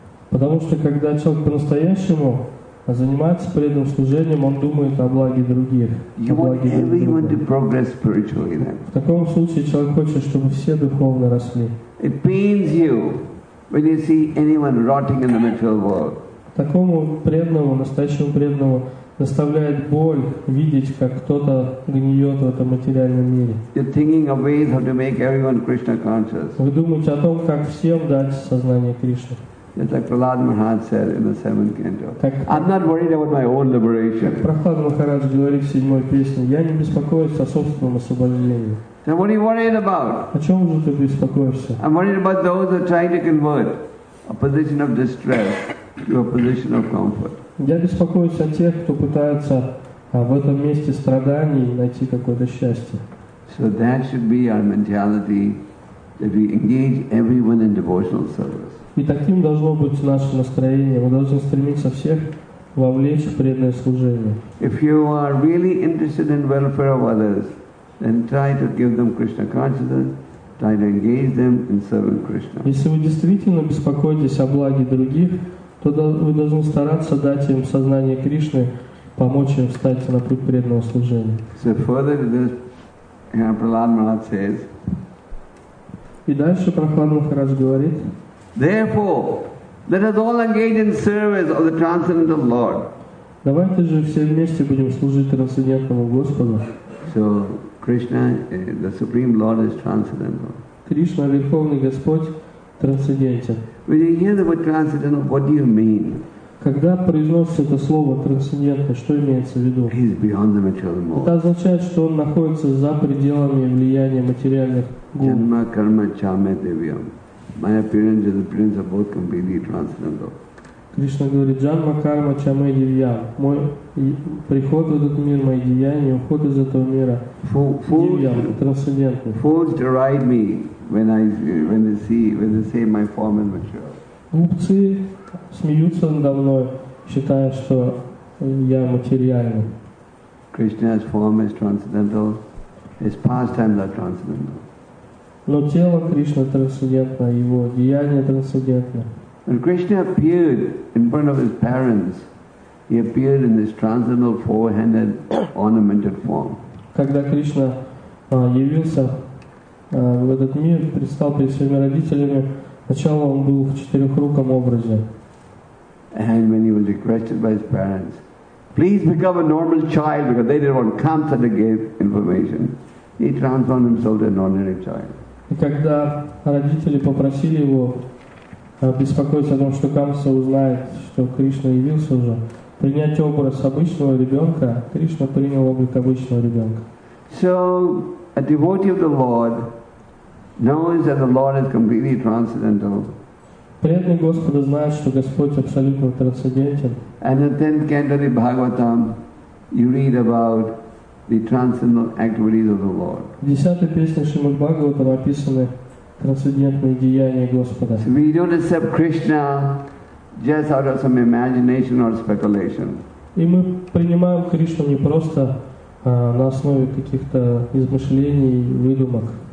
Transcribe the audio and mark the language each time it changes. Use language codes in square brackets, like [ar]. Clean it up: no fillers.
[ru] Потому что когда человек по-настоящему занимается преданным служением, он думает о благе других. [en] You want everyone to progress spiritually, then. [ru] В таком случае человек хочет, чтобы все духовно росли. [en] It pains you when you see anyone rotting in the material world. [ru] Такому преданному, настоящему преданному, доставляет боль видеть, как кто-то гниет в этом материальном мире. [en] You're thinking of ways how to make everyone Krishna conscious. [ru] Вы думаете о том, как всем дать сознание Кришны. [en] Just like Prahlad Maharaj said in the 7th canto. I'm not worried about my own liberation. [ru] Прохлад Махарадж говорит в 7-й песне, я не беспокоюсь о собственном освобождении. [en] Then what are you worried about? [ru] О чем же ты беспокоишься? [en] I'm worried about those who are trying to convert a position of distress to a position of comfort. [ru] Я беспокоюсь о тех, кто пытается А в этом месте страданий найти какое-то счастье. [en] So that should be our mentality, that we engage everyone in devotional service. [ru] И таким должно быть наше настроение. Мы должны стремиться всех вовлечь в преданное служение. [en] If you are really interested in welfare of others, then try to give them Krishna consciousness. Try to engage them in serving Krishna. [ru] Если вы действительно беспокоитесь о благе других, то вы должны стараться дать им сознание Кришны, помочь им встать на путь преданного служения. [en] So further, this, Prahlad Maharaj says. [ru] И дальше Прахлад Махарадж говорит. [en] Therefore, let us all engage in service of the transcendental Lord. [ru] Давайте же все вместе будем служить трансцендентному Господу. [en] So, Krishna, the Supreme Lord, is transcendental. [ru] Кришна, Верховный Господь, трансцендентен. [en] When you hear the word transcendental, what do you mean? [ru] Когда произносится это слово трансцендентно, что имеется в виду? [en] He's beyond the material world. [ru] Это означает, что он находится за пределами влияния материальных гун. [sa] Janma karma cha me devyam. [en] My appearance and appearance are both completely transcendental. [ru] Кришна говорит: [sa] Janma karma cha me devyam. [ru] Мой приход в этот мир, мои деяния, уход из этого мира [sa] devyam, [ru] трансцендентный. [en] Fools deride me when they see my form and material. [ru] Глупцы смеются надо мной, считая, что я материальный. [en] Krishna's form is transcendental. His pastimes are transcendental. [ru] Но тело Кришны трансцендентно, его деяния трансцендентны. [en] When Krishna appeared in front of his parents, he appeared in this transcendental four-handed ornamented form. [ru] Когда Кришна явился в этот мир, предстал перед своими родителями, сначала он был в четырехруком образе. [en] And when he was requested by his parents, please become a normal child, because they didn't want Kamsa to give information, he transformed himself to an ordinary child. [ru] И когда родители попросили его беспокоиться о том, что Камса узнает, что Кришна явился уже, принять образ обычного ребенка, Кришна принял облик обычного ребенка. [en] So, a devotee of the Lord knows that the Lord is completely transcendental. [ru] Преданный Господа знает, что Господь абсолютно трансцендентен. [en] And in the 10th canto of the Bhagavatam, you read about the transcendental activities of the Lord. [ru] В 10-й песне Шримад Бхагаватам описаны трансцендентные деяния Господа. [en] So we don't accept Krishna just out of some imagination or speculation. [ru] И мы принимаем Кришну не просто на основе каких-то измышлений и выдумок.